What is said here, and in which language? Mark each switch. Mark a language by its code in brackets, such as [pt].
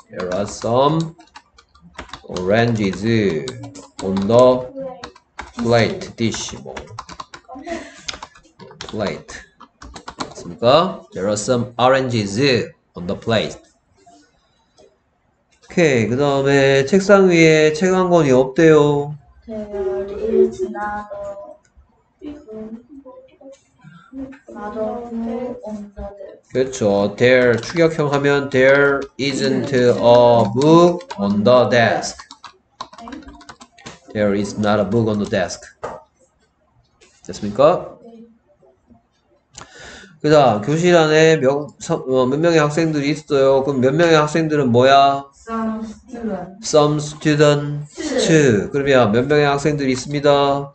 [en] There are some oranges on the plate, dish. Plate. [ko] 그니까 [en] there are some oranges on the plate. [ko] 오케이, 그 다음에 책상 위에 책 한 권이 없대요. [en] There is not a book on the desk. [ko] 그렇죠. [en] There [ko] 추격형 하면 [en] there isn't a book on the desk. There is not a book on the desk. [ko] 됐습니까? 그 다음 교실 안에 몇 명의 학생들이 있어요. 그럼 몇 명의 학생들은 뭐야? [en] Some students. Some students. [ko] 그러면 몇 명의 학생들이 있습니다?